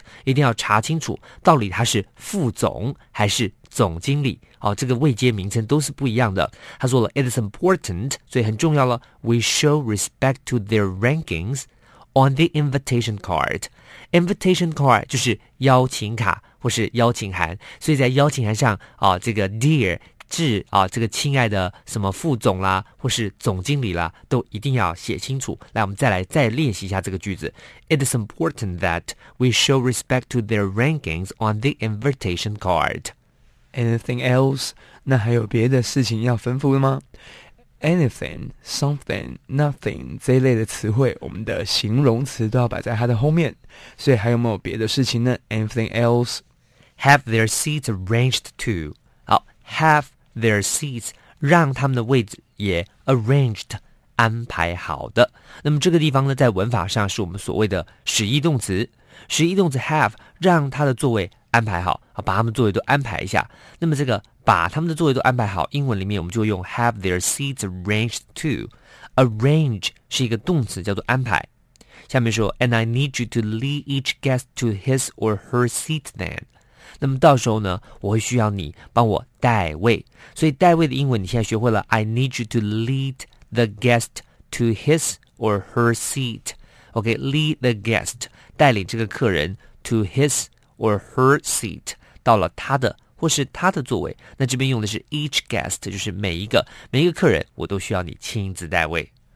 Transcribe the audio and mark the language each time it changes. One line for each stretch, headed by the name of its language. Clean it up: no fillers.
Chinese: 一定要查清楚到底他是副总还是总经理哦，这个位阶名称都是不一样的他说了
English: It is important
Chinese: 所以很重要了
English: We show respect to their rankings On the invitation card Invitation card
Chinese: 就是邀请卡或是邀请函所以在邀请函上、哦、这个 dear 致啊，这个亲爱的什么副总啦，或是总经理啦，都一定要写清楚。来，我们再练习一下这个句子。
English: It is important that we show respect to their rankings on the invitation card. Anything else?
Chinese: 那还有别的事情要吩咐的吗？
English: Anything, something, nothing
Chinese: 这一类的词汇，我们的形容词都要摆在它的后面。所以还有没有别的事情呢？
English: Anything else? Have their seats arranged too.
Chinese: 好，
English: have their seats
Chinese: 让他们的位置也
English: arranged
Chinese: 安排好的。那么这个地方呢，在文法上是我们所谓的使役动词。使役动词 have 让他的座位安排好，把他们座位都安排一下。那么这个把他们的座位都安排好，英文里面我们就用
English: have their seats arranged to.
Chinese: Arrange 是一个动词，叫做安排。下面说
English: And I need you to lead each guest to his or her seat then.
Chinese: 那么到时候呢，我会需要你帮我带位。所以带位的英文你现在学会了，
English: I need you to lead the guest to his or her seat. OK, lead the guest
Chinese: 带领这个客人
English: to his or her seat
Chinese: 到了他的或是他的座位，那这边用的是
English: each guest，
Chinese: 就是每一个客人，我都需要你亲自代位。